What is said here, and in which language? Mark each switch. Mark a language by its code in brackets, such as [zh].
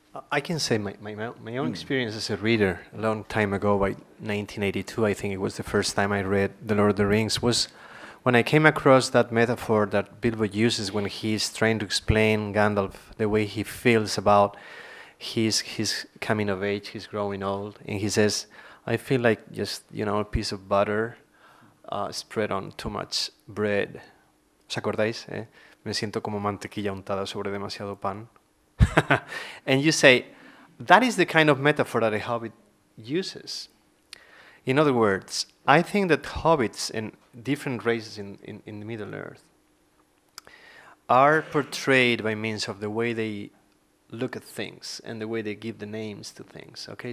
[en] I can say my own experience as a reader a long time ago, by 1982, I think it was the first time I read The Lord of the Rings, was when I came across that metaphor that Bilbo uses when he's trying to explain Gandalf, the way he feels about his coming of age, his growing old, and he says, I feel like just, a piece of butter spread on too much bread. [es] ¿Os acordáis? Me siento como mantequilla untada sobre demasiado pan. [en] And you say, that is the kind of metaphor that a hobbit uses. In other words, I think that hobbits and different races in the Middle Earth are portrayed by means of the way they look at things and the way they give the names to things, okay?